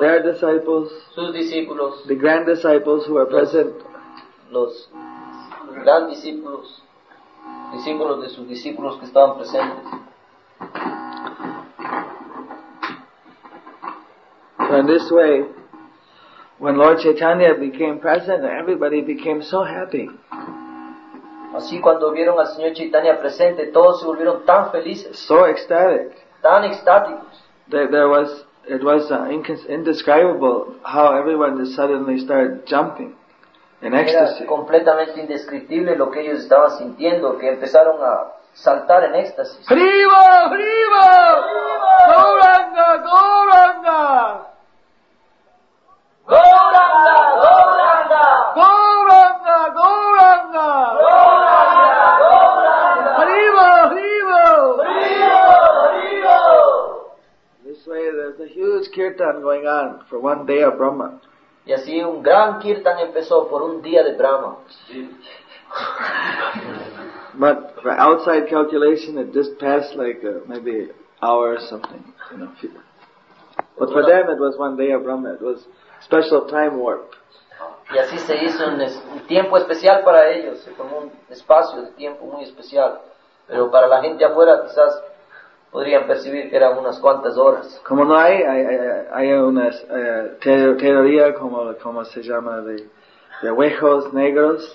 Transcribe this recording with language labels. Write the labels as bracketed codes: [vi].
[en] their disciples, [es] sus discípulos, [en] the grand disciples who were present. [es] Los gran discípulos, discípulos de sus discípulos que estaban presentes. [en] So in this way, when Lord Chaitanya became present, everybody became so happy. [es] Así cuando vieron al Señor Chaitanya presente, todos se volvieron tan felices. [en] So ecstatic. [es] Tan extáticos. [en] It was indescribable how everyone just suddenly started jumping. In ecstasy. [es] Era completamente indescriptible lo que ellos estaban sintiendo, que empezaron a saltar en éxtasis. ¡Priva! ¡Priva! ¡Gauranga! ¡Gauranga! ¡Gauranga! ¡Gauranga! ¡Gauranga! ¡Gauranga! ¡Gauranga! ¡Gauranga! ¡Priva! ¡Priva! ¡Priva! ¡Priva! [en] This way there's a huge kirtan going on for one day of Brahma. [es] Y así un gran kirtan empezó por un día de Brahma. [en] But for outside calculation, it just passed like maybe an hour or something. You know. But for them, it was one day of Brahma. It was special time warp. [es] Y así se hizo un tiempo especial para ellos. Se formó un espacio de tiempo muy especial. Pero para la gente afuera, quizás podrían percibir que eran unas cuantas horas. Como no hay, hay una teoría como se llama de huecos negros,